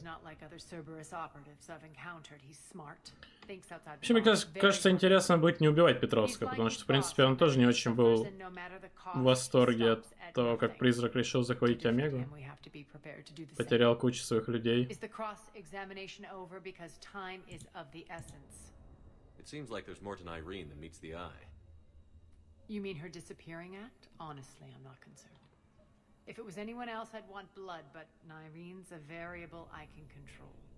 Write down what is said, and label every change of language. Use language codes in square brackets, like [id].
[en] He's not like other Cerberus operatives I've encountered. He's smart. Thinks outside the box. [ru] Мне кажется, интересно будет не убивать Петровского, потому что, в принципе, он тоже не очень был в восторге от того, как призрак решил захватить Омегу. Потерял кучу своих людей. [en] Is the cross-examination over because time is of the essence? It seems like there's more to Nairine than meets the eye. You mean her disappearing act? Honestly, I'm not concerned. If it was anyone else, I'd want blood, but Nairine's a variable I can control.